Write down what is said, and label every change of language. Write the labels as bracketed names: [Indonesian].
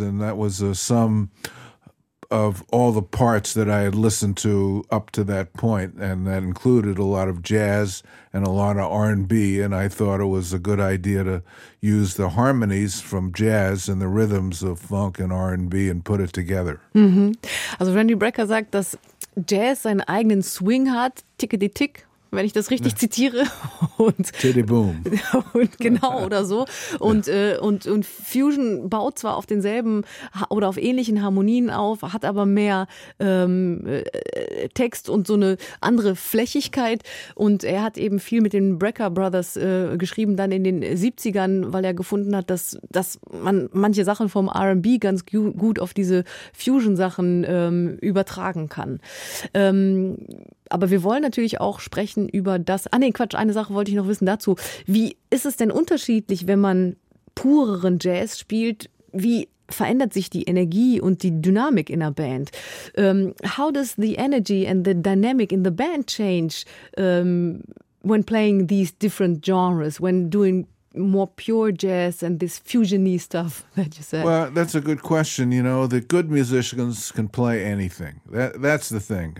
[English] And that was a sum of all the parts that I had listened to up to that point, and that included a lot of jazz and a lot of R&B, and I thought it was a good idea to use the harmonies from jazz and the rhythms of funk and R&B and put it together. Mm-hmm. [German] Also Randy Brecker sagt, dass Jazz seinen eigenen Swing hat, tickety-tick, wenn ich das richtig zitiere. Titty-boom. Und genau, oder so. Und, und Fusion baut zwar auf denselben oder auf ähnlichen Harmonien auf, hat aber mehr Text und so eine andere Flächigkeit. Und er hat eben viel mit den Brecker Brothers geschrieben, dann in den 70ern, weil er gefunden hat, dass man manche Sachen vom R&B ganz gut auf diese Fusion-Sachen übertragen kann. Aber wir wollen natürlich auch sprechen über das. Ah, nee, Quatsch, eine Sache wollte ich noch wissen dazu. Wie ist es denn unterschiedlich, wenn man pureren Jazz spielt? Wie verändert sich die Energie und die Dynamik in einer Band? [English] How does the energy and the dynamic in the band change when playing these different genres, when doing more pure jazz and this fusion-y stuff that you said? Well, that's a good question. You know, the good musicians can play anything. That's the thing.